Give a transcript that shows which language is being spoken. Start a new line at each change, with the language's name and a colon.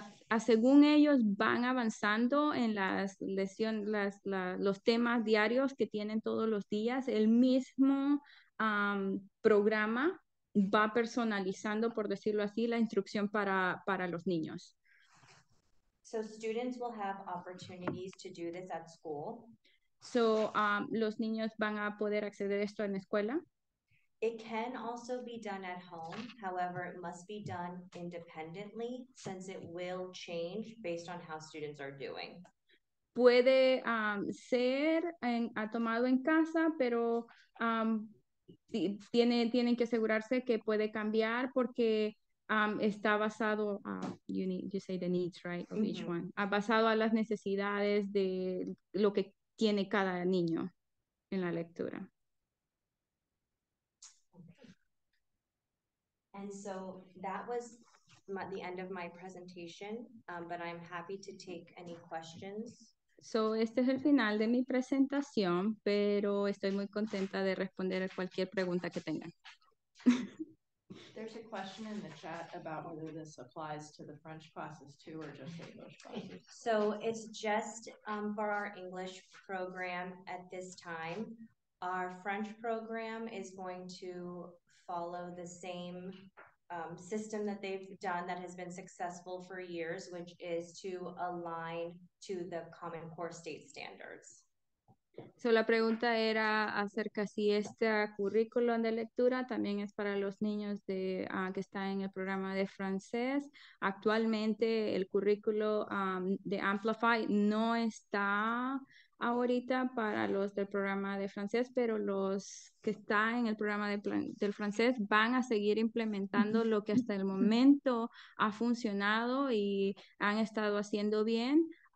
Spanish: Según ellos van avanzando en las lecciones, los temas diarios que tienen todos los días, el mismo programa va personalizando, por decirlo así, la instrucción para los niños.
English: So students will have opportunities to do this at school.
Spanish: So los niños van a poder acceder a esto en la escuela.
English: It can also be done at home. However, it must be done independently since it will change based on how students are doing.
Spanish: Puede ser tomado en casa, pero tienen que asegurarse que puede cambiar porque está basado,
English: you say the needs, right,
Spanish: of each one. Basado a las necesidades de lo que tiene cada niño en la lectura.
English: And so that was the end of my presentation, but I'm happy to take any questions.
Spanish: So este es el final de mi presentación, pero estoy muy contenta de responder a cualquier pregunta que tengan.
English: There's a question in the chat about whether this applies to the French classes too or just English classes. So it's just for our English program at this time. Our French program is going to follow the same system that they've done that has been successful for years, which is to align to the Common Core State Standards.
Spanish: So la pregunta era acerca si este currículo de lectura también es para los niños de que están en el programa de francés. Actualmente el currículo de Amplify no está ahorita para los del programa de francés, pero los que están en el programa del francés van a seguir implementando lo que hasta el momento ha funcionado y han estado haciendo bien.